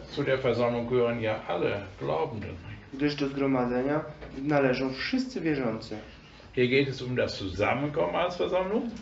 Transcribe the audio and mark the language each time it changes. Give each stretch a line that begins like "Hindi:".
German: Zu der Versammlung gehören ja alle Glaubenden.
Polish: Gdyż do zgromadzenia należą wszyscy wierzący.
German: Hier geht es um das Zusammenkommen als Versammlung.